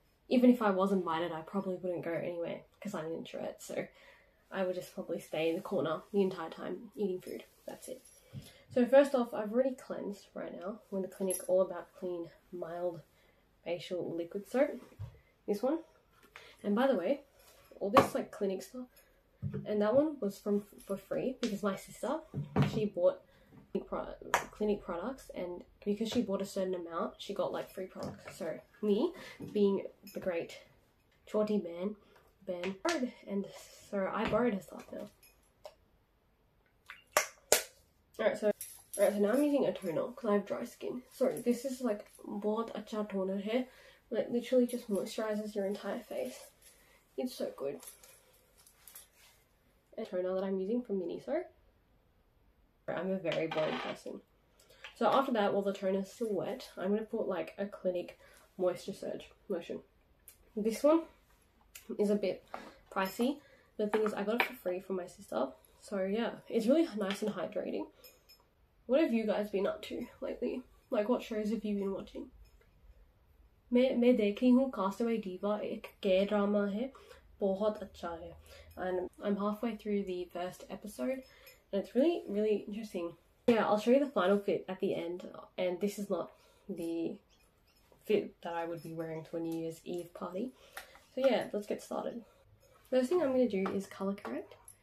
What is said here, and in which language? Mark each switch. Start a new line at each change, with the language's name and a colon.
English: Even if I was invited I probably wouldn't go anywhere because I am introvert, so I would just probably stay in the corner the entire time eating food, that's it. So first of I have already cleansed right now with the clinic all about clean mild facial liquid soap, this one. And by the way, all this like Clinique stuff, and that one was from for free because my sister, she bought Clinique products, and because she bought a certain amount, she got like free products. So me being the great chorty man, Ben, and so I borrowed her stuff now. Alright, so now I'm using a toner because I have dry skin. So this is like
Hindi: bahut acha toner hai.
English: Like literally just moisturizes your entire face. It's so good. A toner that I'm using from Miniso. I'm a very boring person. So after that, while the toner is still wet, I'm going to put like a Clinique Moisture Surge lotion. This one is a bit pricey. The thing is, I got it for free from my sister. So yeah, it's really nice and hydrating. What have you guys been up to lately? Like, what shows have you been watching?
Hindi: मैं देख रही हूँ castaway diva, एक के drama है, बहुत अच्छा है.
English: And I'm halfway through the first episode, and it's really, really interesting. Yeah, I'll show you the final fit at the end, and this is not the fit that I would be wearing to a New Year's Eve party. So yeah, let's get started. First thing I'm going to do is color correct.